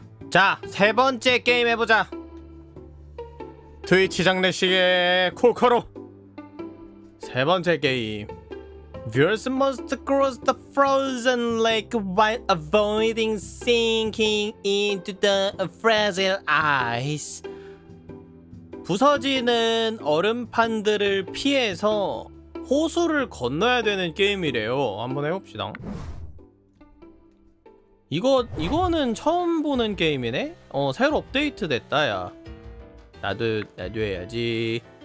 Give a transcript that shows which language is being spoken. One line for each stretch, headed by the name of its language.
Korean: 자, 세 번째 게임 해보자. 트위치 장례식의 코코로. 세 번째 게임.
English: Viewers must cross the frozen lake while avoiding sinking into the fragile ice.
Korean: 부서지는 얼음판들을 피해서 호수를 건너야 되는 게임이래요. 한번 해봅시다. 이거는 처음 보는 게임이네? 새로 업데이트 됐다, 야. 나도 해야지.